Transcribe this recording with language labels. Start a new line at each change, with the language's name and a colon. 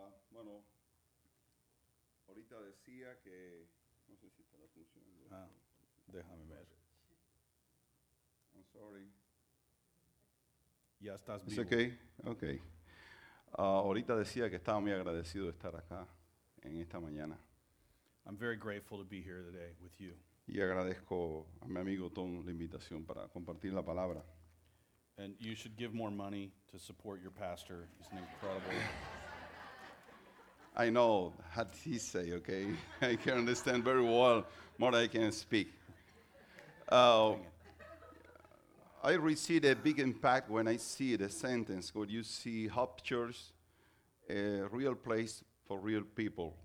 Spanish: Bueno, ahorita decía que no sé si está funcionando. Déjame ver.
English: I'm sorry.
Spanish: Ya estás bien. Okay. Okay. Ahorita decía que estaba muy agradecido de estar acá en esta mañana.
English: I'm very grateful to be here today with you.
Spanish: Y agradezco a mi amigo Tom la invitación para compartir la palabra.
English: And you should give more money to support your pastor. He's an incredible. I know what he say, okay? I can understand very well more I can speak. I received a big impact when I see the sentence, "Could you see Hope Church, a real place for real people?"